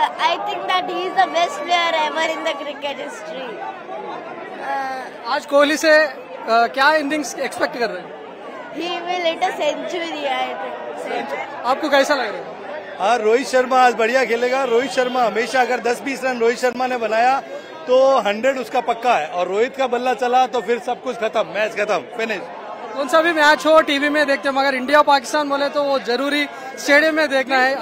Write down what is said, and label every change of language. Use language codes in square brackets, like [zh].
[en] I think that he is the best player ever in the cricket history. [hi] आज कोहली से क्या innings expect कर रहे हैं? [en] He will hit a century, I think. [hi] आपको कैसा लग रहा है? हाँ, रोहित शर्मा आज बढ़िया खेलेगा. रोहित शर्मा हमेशा अगर 10-20 रन रोहित शर्मा ने बनाया तो 100 उसका पक्का है, और रोहित का बल्ला चला तो फिर सब कुछ खत्म, मैच खत्म, फिनिश. कौन सा भी मैच हो टीवी में देखते, मगर इंडिया पाकिस्तान बोले तो वो जरूरी स्टेडियम में देखना है.